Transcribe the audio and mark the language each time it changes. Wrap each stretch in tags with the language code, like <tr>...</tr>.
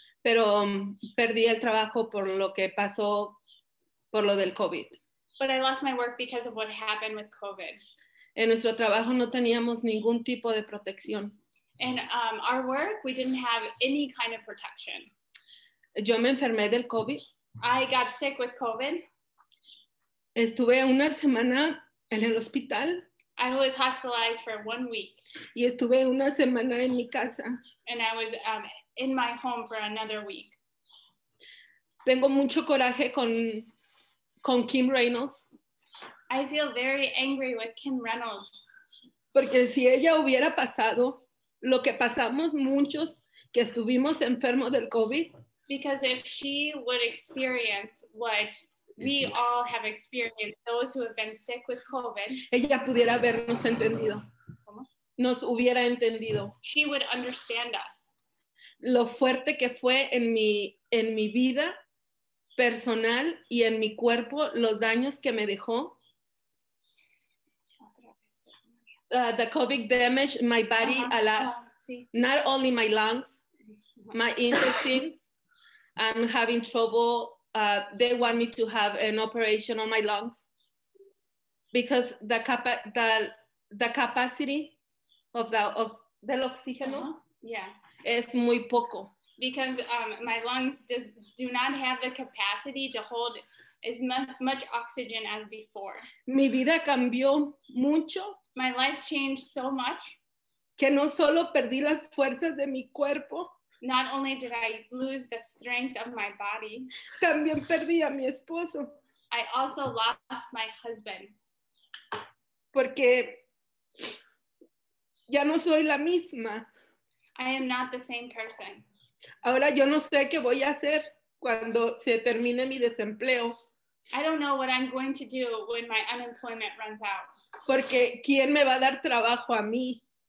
<es>Pero perdí el trabajo por lo que pasó por lo del COVID.</es> <en>But I lost my work because of what happened with COVID.</en> <es>En nuestro trabajo no teníamos ningún tipo de protección.</es> <en>In our work, we didn't have any kind of protection.</en> <es>Yo me enfermé del COVID.</es> <en>I got sick with COVID.</en> <es>Estuve una semana en el hospital.</es> <en>I was hospitalized for 1 week.</en> <es>Y estuve una semana en mi casa.</es> <en>And I was in my home for another week.</en> <es>Tengo mucho coraje con Kim Reynolds.</es> <en>I feel very angry with Kim Reynolds.</en> <es>Porque si ella hubiera pasado lo que pasamos muchos que estuvimos enfermos del COVID.</es> <en>Because if she would experience what we all have experienced, those who have been sick with COVID.</en> <es>Ella pudiera habernos entendido. ¿Cómo? Nos hubiera entendido.</es> <en>She would understand us.</en> <es>Lo fuerte que fue en mi vida personal y en mi cuerpo los daños que me dejó.</es> <en>The COVID damaged my body a lot.</en> <es>Sí.</es> <en>Not only my lungs, my intestines. I'm having trouble. They want me to have an operation on my lungs because the capacity of</en> <es>del oxígeno es muy poco.</es> <en>Because my lungs do not have the capacity to hold as much oxygen as before.</en> <es>Mi vida cambió mucho.</es> <en>My life changed so much.</en> <es>Que no solo perdí las fuerzas de mi cuerpo.</es> <en>Not only did I lose the strength of my body.</en> <es>También perdí a mi esposo.</es> <en>I also lost my husband.</en> <es>Porque ya no soy la misma.</es> <en>I am not the same person.</en> <es>Ahora yo no sé qué voy a hacer cuando se termine mi desempleo.</es> <en>I don't know what I'm going to do when my unemployment runs out.</en> <es>Porque ¿quién me va a dar trabajo a mí?</es>